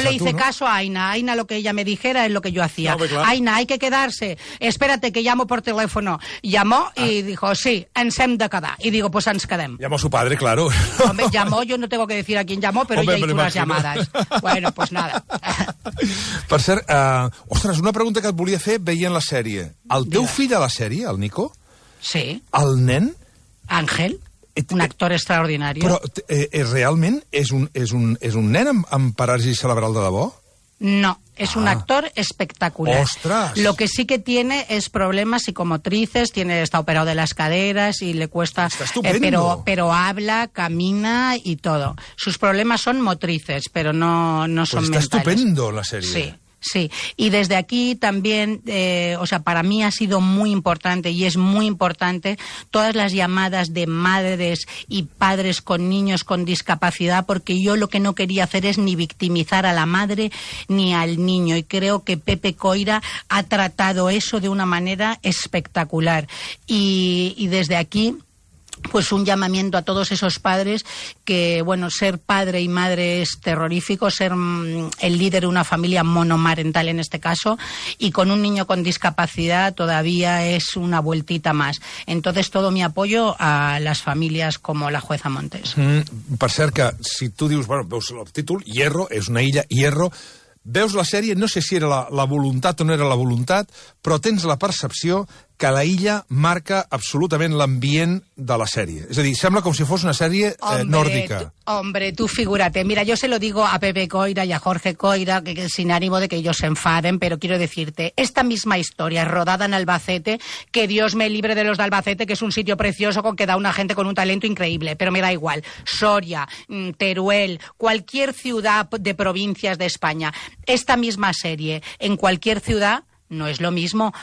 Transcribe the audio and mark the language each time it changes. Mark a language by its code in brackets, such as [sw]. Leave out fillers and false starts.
[es] tu, no? Yo le hice tú, ¿no? caso a Aina. Aina, lo que ella me dijera es lo que yo hacía. No, pues, Aina, hay que quedarse. Espérate, que llamo por teléfono. Llamó y dijo, [ca] sí, ens hem de quedar. [es] Y digo, pues [ca] ens quedem. [es] Llamó su padre, claro. Hombre, llamó, yo no tengo que decir a quién llamó, pero ella hizo unas llamadas. Bueno, pues nada. [ca] Per cert, ostres, una pregunta que et volia fer veient la sèrie. El teu fill de la sèrie, el Nico? Sí. El nen... Ángel, un actor extraordinari. Però realment és un nen amb paràlisi cerebral de debò? No, és un actor espectacular. Ostres! [es] Lo que sí que tiene es problemas psicomotrices, está operado de las caderas y le cuesta... Está estupendo. Pero habla, camina y todo. Sus problemas son motrices, pero no son mentales. Está estupendo la serie. Sí. Sí, y desde aquí también, para mí ha sido muy importante y es muy importante todas las llamadas de madres y padres con niños con discapacidad, porque yo lo que no quería hacer es ni victimizar a la madre ni al niño, y creo que Pepe Coira ha tratado eso de una manera espectacular, y desde aquí... Pues un llamamiento a todos esos padres que, bueno, ser padre y madre es terrorífico, ser el líder de una familia monomarental en este caso, y con un niño con discapacidad todavía es una vueltita más. Entonces todo mi apoyo a las familias como la jueza Montes. [ca] Per cert, que si tu dius, bueno, veus el títol, Hierro, és una illa, Hierro, veus la sèrie, no sé si era la voluntat o no era la voluntat, però tens la percepció... que la illa marca absolutament l'ambient de la sèrie. És a dir, sembla com si fos una sèrie nòrdica. [es] Hombre, tú figúrate. Mira, yo se lo digo a Pepe Coira y a Jorge Coira, que sin ánimo de que ellos se enfaden, pero quiero decirte, esta misma historia rodada en Albacete, que Dios me libre de los de Albacete, que es un sitio precioso con que da una gente con un talento increíble, pero me da igual. Soria, Teruel, cualquier ciudad de provincias de España, esta misma serie en cualquier ciudad no es lo mismo.